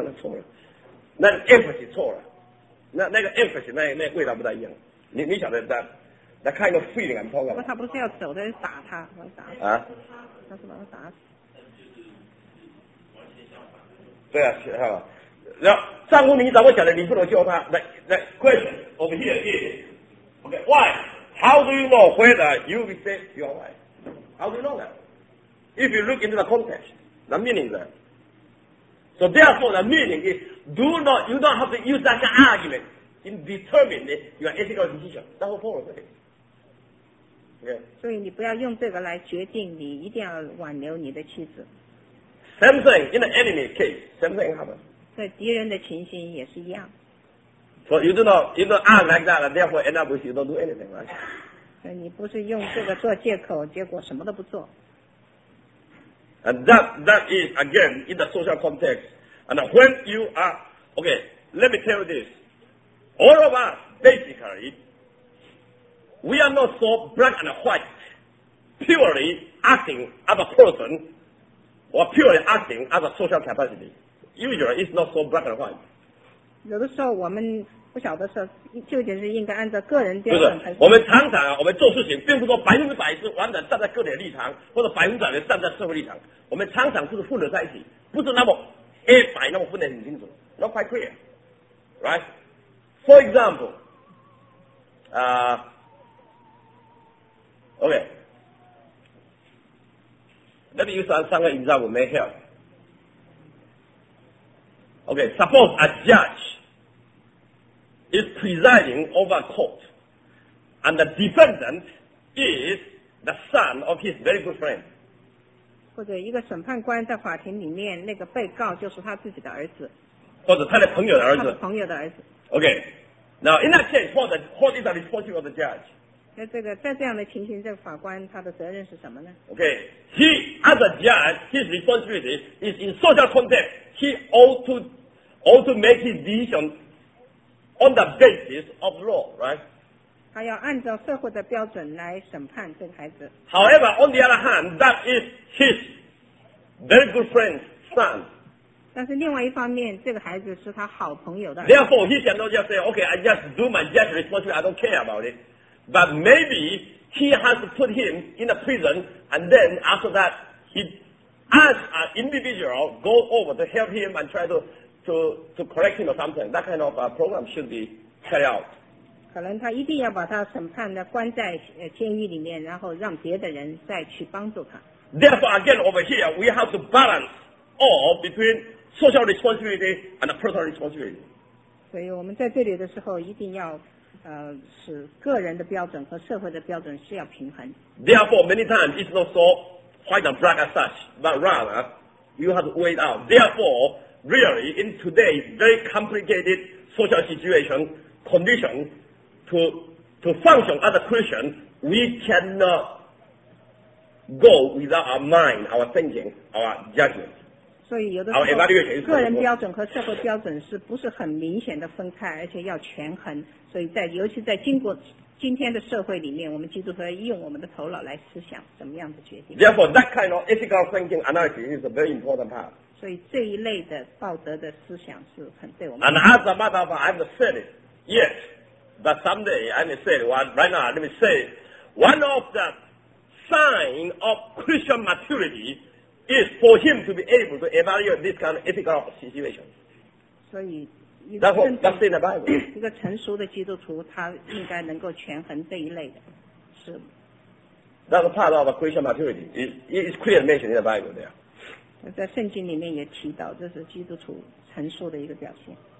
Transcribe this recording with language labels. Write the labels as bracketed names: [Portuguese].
[Chinese] 那错了，那 emphasis 错了，那个 emphasis 那味道不太一样。你晓得的，那看一个 feeling 很痛啊。他不是要走，他是打他，我打啊，他是把他打死。对啊，是啊，那丈夫你怎么晓得你不能救他？ [English] 那 question over here is, okay, why? How do you know whether you will save your wife? How do you know that? If you look into the context, the meaning there. So therefore, the meaning is, you don't have to use such an argument in determining your ethical decision. That's what Paul said. Okay. [Chinese] 所以你不要用这个来决定你一定要挽留你的妻子。 [English] Same thing in the enemy case. Same thing happens. [Chinese] 对敌人的情形也是一样。 [English] So you do not, you don't act like that, and therefore end up with you don't do anything, right? [Chinese] 你不是用这个做借口，结果什么都不做。 [English] And that is again in the social context. And when you are okay, let me tell you this. All of us basically, we are not so black and white, purely acting as a person. Or purely acting as a social capacity. Usually, it's not so black and white. [Chinese] 有的时候我们不晓得是究竟是应该按照个人标准。不是，我们常常啊，我们做事情并不说百分之百是完全站在个人立场，或者百分之百站在社会立场。我们常常就是混合在一起，不是那么 A 白那么分得很清楚 ， [English] not quite clear， right？ For example， OK， let me use some example may help。 Okay, suppose a judge is presiding over a court and the defendant is the son of his very good friend. [Chinese] 或者一个审判官在法庭里面，那个被告就是他自己的儿子。或者他的朋友的儿子。他的朋友的儿子。 [English] Okay, now in that case, what is the responsibility of the judge? [Chinese] 那这个在这样的情形，这个法官他的责任是什么呢？ [English] Okay, he as a judge, his responsibility is in social context. He ought to make his decision on the basis of law, right? [Chinese] 他要按照社会的标准来审判这个孩子。 [English] However, on the other hand, that is his very good friend's son. [Chinese] 但是另外一方面，这个孩子是他好朋友的。 [English] Therefore, he cannot just say, okay, I just do my judge responsibility, I don't care about it. But maybe he has to put him in a prison, and then after that, heAs an individual, go over to help him and try to correct him or something. That kind of program should be carried out. [Chinese] 可能他一定要把他审判的关在监狱里面，然后让别的人再去帮助他。 [English] Therefore, again, over here, we have to balance all between social responsibility and personal responsibility. [Chinese] 所以我们在这里的时候一定要使个人的标准和社会的标准是要平衡。 [English] Therefore, many times, it's not so... quite a black as such, but rather, you have to wait out. Therefore, really, in today's very complicated social situation, condition, to function as a Christian, we cannot go without our mind, our thinking, our judgment. [Chinese] 所以有的时候 [English] our evaluation is [Chinese] 个人标准和社会标准是不是很明显的分开，而且要权衡。所以在尤其在经过今天的社会里面，我们基督徒要用我们的头脑来思想怎么样的决定。 [English] Therefore, that kind of ethical thinking analysis is a very important part. [Chinese] 所以这一类的道德的思想是很对我们。 [English] And as a matter of fact, I've said it yet, but someday I may say it. Right now, let me say it. One of the signs of Christian maturity is for him to be able to evaluate this kind of ethical situation. [Chinese] 所以。 [English] That's in the Bible. [Chinese] 一个成熟的基督徒，他应该能够权衡这一类的，是。 [English] That's part of Christian maturity. It's clearly mentioned in the Bible there. [Chinese] 在圣经里面也提到，这是基督徒成熟的一个表现。